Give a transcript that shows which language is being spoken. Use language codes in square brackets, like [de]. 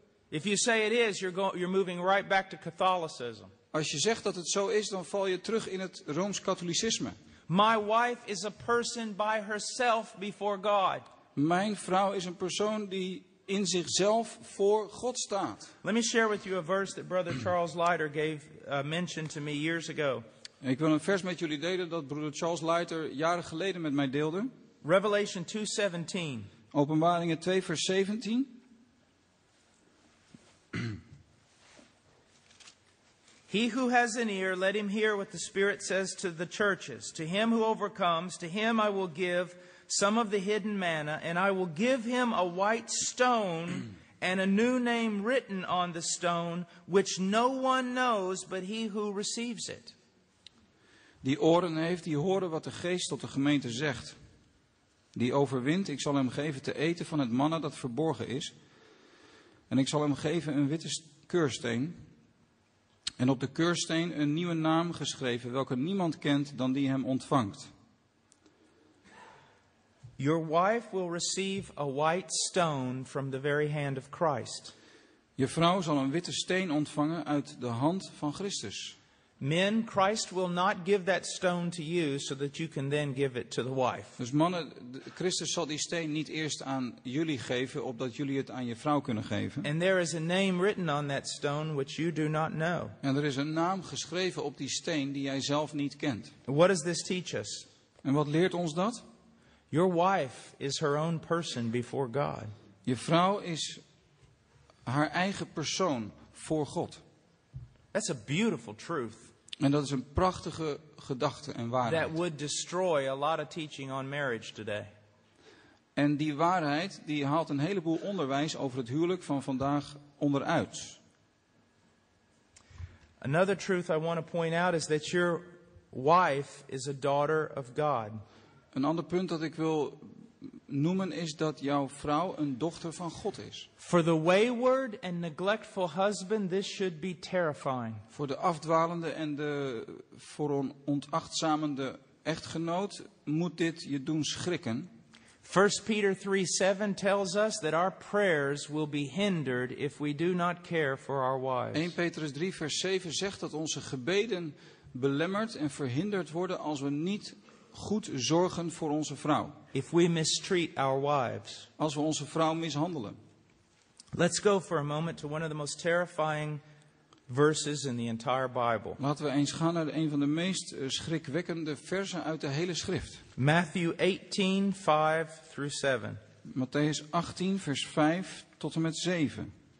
[en] If you say it is, you're moving right back to Catholicism. [nl] Als je zegt dat het zo is, dan val je terug in het Rooms-Katholicisme. [en] My wife is a person by herself before God. [nl] Mijn vrouw is een persoon die in zichzelf voor God staat. [en] Let me share with you a verse that Brother Charles Leiter gave mention to me years ago. [nl] Ik wil een vers met jullie delen dat Brother Charles Leiter jaren geleden met mij deelde. [en] Revelation 2:17. [nl] Openbaringen 2 vers 17. [en] He who has an ear, let him hear what the Spirit says to the churches. To him who overcomes, to him I will give some of the hidden manna, and I will give him a white stone and a new name written on the stone, which no one knows but he who receives it. [nl] Die oren heeft, die horen wat de Geest tot de gemeente zegt. Die overwint, ik zal hem geven te eten van het manna dat verborgen is. En ik zal hem geven een witte keursteen. En op de keursteen een nieuwe naam geschreven, welke niemand kent dan die hem ontvangt. [en] Your wife will receive a white stone from the very hand of Christ. [nl] Je vrouw zal een witte steen ontvangen uit de hand van Christus. [en] Men, Christ will not give that stone to you so that you can then give it to the wife. [nl] Dus mannen, Christus zal die steen niet eerst aan jullie geven, opdat jullie het aan je vrouw kunnen geven. [en] And there is a name written on that stone which you do not know. [nl] En er is een naam geschreven op die steen die jij zelf niet kent. [en] What does this teach us? [nl] En wat leert ons dat? [en] Your wife is her own person before God. [nl] Je vrouw is haar eigen persoon voor God. [en] That's a beautiful truth. [nl] En dat is een prachtige gedachte en waarheid. [en] That would destroy a lot of teaching on marriage today. [nl] En die waarheid die haalt een heleboel onderwijs over het huwelijk van vandaag onderuit. [en] Another truth I want to point out is that your wife is a daughter of God. [nl] Een ander punt dat ik wil noemen is dat jouw vrouw een dochter van God is. [en] For the wayward and neglectful husband, this should be terrifying. [nl] Voor de afdwalende en de voor een ontachtzamende echtgenoot moet dit je doen schrikken. [en] 1 Peter 3:7 tells us that our prayers will be hindered if we do not care for our wives. [nl] 1 Petrus 3 vers 7 zegt dat onze gebeden belemmerd en verhinderd worden als we niet goed zorgen voor onze vrouw. [en] If we mistreat our wives. [nl] Als we onze vrouw mishandelen. [en] Let's go for a moment to one of the most terrifying verses in the entire Bible. [nl] Laten we eens gaan naar een van de meest schrikwekkende versen uit de hele schrift. [en] Matthew 18, 5 through 7. [nl] Matthäus 18, vers 5 tot en met 7.